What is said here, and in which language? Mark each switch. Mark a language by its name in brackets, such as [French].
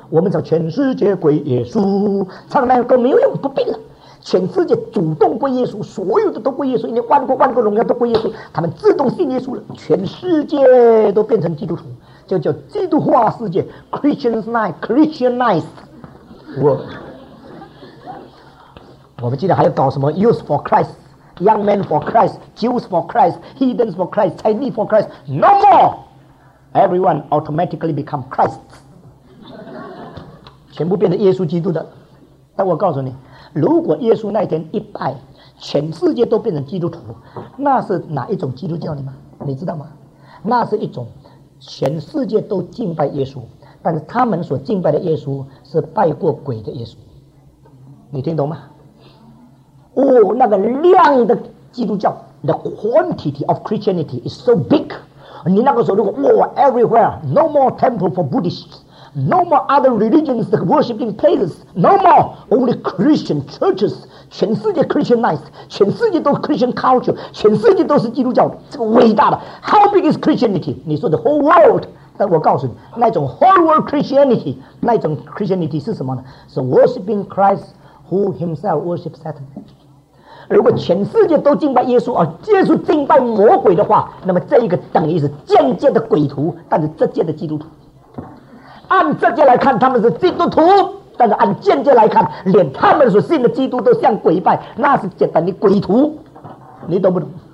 [Chinese] 我们讲全世界归耶稣，唱那歌没有用，不必了。全世界主动归耶稣，所有的都归耶稣，因为万国万国荣耀都归耶稣，他们自动信耶稣了，全世界都变成基督徒，就叫基督化世界 Christianized。我们既然还要搞什么 [English] Youth for Christ Young men for Christ Jews for Christ Heathens for Christ Chinese for Christ No more Everyone automatically become Christ， [Chinese] 全部变成耶稣基督的。但我告诉你，如果耶稣那天一拜，全世界都变成基督徒，那是哪一种基督教呢？你知道吗？那是一种全世界都敬拜耶稣，但是他们所敬拜的耶稣是拜过鬼的耶稣。你听懂吗？哦，那个亮的基督教 [English] The quantity of Christianity is so big。 [Chinese] 你那个时候如果哦 [English] everywhere No more temple for Buddhists，No more other religions worshiping places. No more only Christian churches. [Chinese] 全世界 Christianized， 全世界都 [English] Christian culture， [Chinese] 全世界都是基督教的，这个伟大的。 [English] How big is Christianity？ [Chinese] 你说 [English] the whole world， [Chinese] 但我告诉你， [English] 那种 whole world Christianity， 那种 Christianity [Chinese] 是什么呢？ [English] 是 worshiping Christ who himself worships Satan。 [Chinese] 如果全世界都敬拜耶稣，而耶稣敬拜魔鬼的话，那么这一个等于是间接的鬼徒，但是直接的基督徒。按直接来看他们是基督徒，但是按间接来看，连他们所信的基督都像鬼拜，那是简单的鬼徒。你懂不懂？